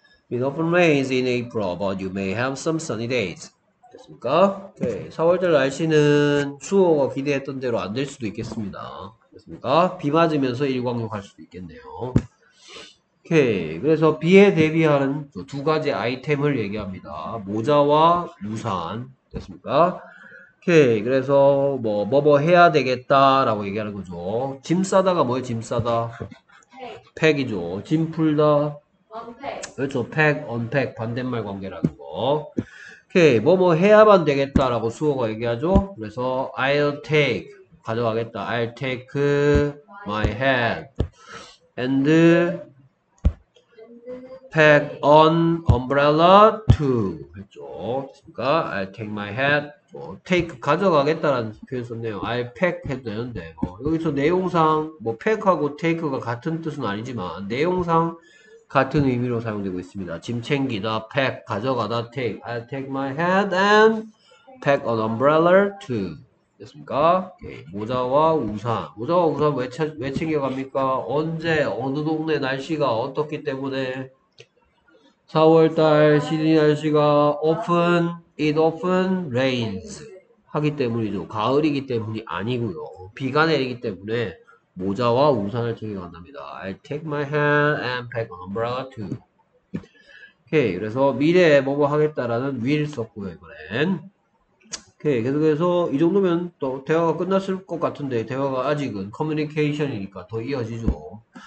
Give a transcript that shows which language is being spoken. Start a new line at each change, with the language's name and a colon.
English: It often rains in April, but you may have some sunny days.
Korean: 됐습니까? 오케이. 4월달 날씨는 추워가 기대했던 대로 안될 수도 있겠습니다. 됐습니까? 비 맞으면서 일광욕할 수도 있겠네요. 오케이. 그래서 비에 대비하는 두 가지 아이템을 얘기합니다. 모자와 우산. 됐습니까? 오케이. 그래서 뭐뭐뭐 해야 되겠다라고 얘기하는 거죠. 짐 싸다가 뭐예요? 짐 싸다. 팩이죠. 짐 풀다. 그렇죠. 팩, 언팩, 반대말 관계라는 거. 오케이. 뭐뭐 해야만 되겠다라고 수호가 얘기하죠. 그래서
English: I'll take
Korean: 가져가겠다.
English: I'll take my hat and pack an umbrella too.
Korean: 했죠. 그러니까
English: I'll take my hat.
Korean: 뭐, take 가져가겠다라는 표현 썼네요. I pack 해도 되는데 여기서 내용상 뭐 pack하고 take가 같은 뜻은 아니지만 내용상 같은 의미로 사용되고 있습니다. 짐 챙기다, pack 가져가다, take.
English: I take my hat and pack an umbrella too.
Korean: 됐습니까? 오케이. 모자와 우산. 모자와 우산 왜 챙겨갑니까? 언제 어느 동네 날씨가 어떻기 때문에 4월달 시드니 날씨가 often
English: It often rains
Korean: 하기 때문이죠. 가을이기 때문이 아니고요. 비가 내리기 때문에 모자와 우산을 챙겨 간답니다.
English: I take my hat and pack an umbrella too.
Korean: 오케이. 그래서 미래에 뭐뭐 하겠다라는 will 썼고요, 이번엔. 오케이. 계속해서 이 정도면 또 대화가 끝났을 것 같은데 대화가 아직은 커뮤니케이션이니까 더 이어지죠.